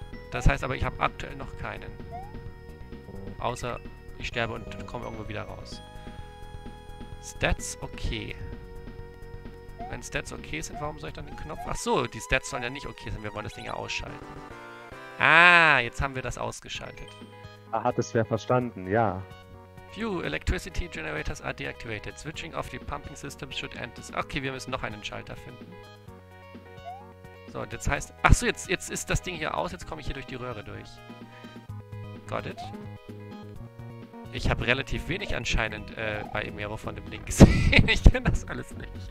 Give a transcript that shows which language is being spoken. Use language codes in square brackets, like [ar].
[de] Das heißt aber, ich habe aktuell noch keinen. Außer ich sterbe und komme irgendwo wieder raus. Stats okay. Wenn Stats okay sind, warum soll ich dann den Knopf? Ach so, die Stats sollen ja nicht okay sein. Wir wollen das Ding ja ausschalten. Ah, jetzt haben wir das ausgeschaltet. Da hat es wer verstanden, ja. [en] Phew, electricity generators are deactivated. Switching off the pumping system should end this. [de] Okay, wir müssen noch einen Schalter finden. So, und jetzt heißt. Ach so, jetzt ist das Ding hier aus. Jetzt komme ich hier durch die Röhre durch. [en] Got it. [de] Ich habe relativ wenig anscheinend bei Emiro von dem Ding gesehen. Ich kenne das alles nicht.